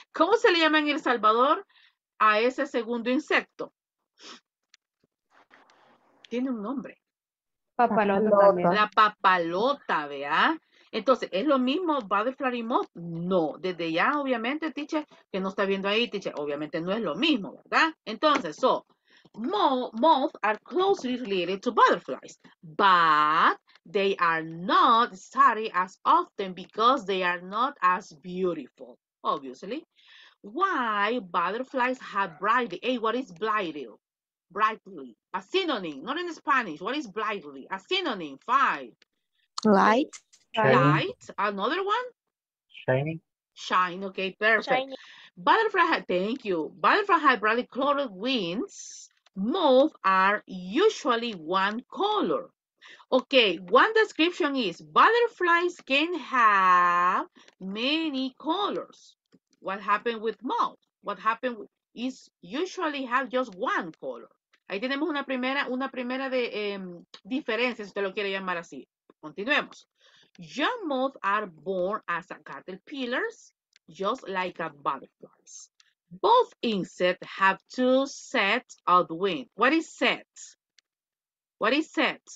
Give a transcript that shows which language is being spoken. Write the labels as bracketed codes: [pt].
[es] ¿Cómo se le llama en El Salvador a ese segundo insecto? Tiene un nombre. Papalota. La papalota, ¿vea? Entonces, ¿es lo mismo butterfly y moth? No. Desde ya, obviamente, teacher, que no está viendo ahí, teacher, obviamente no es lo mismo, ¿verdad? [en] Entonces, so, moths are closely related to butterflies, but they are not studied as often because they are not as beautiful, obviously. Why butterflies have brightly? Hey, what is brightly? Brightly. A synonym, not in Spanish. What is brightly? A synonym, 5. Light. Light, another one? Shining. Shine, okay, perfect. Shiny. Butterfly have brightly colored wings. Moths are usually one color. Okay, one description is, butterflies can have many colors. What happened with moths? What happened is usually have just one color. [es] Ahí tenemos una primera de diferencia, si usted lo quiere llamar así. Continuemos. [en] Young moths are born as a caterpillars, just like a butterflies. Both insects have two sets of wings. What is set? What is set?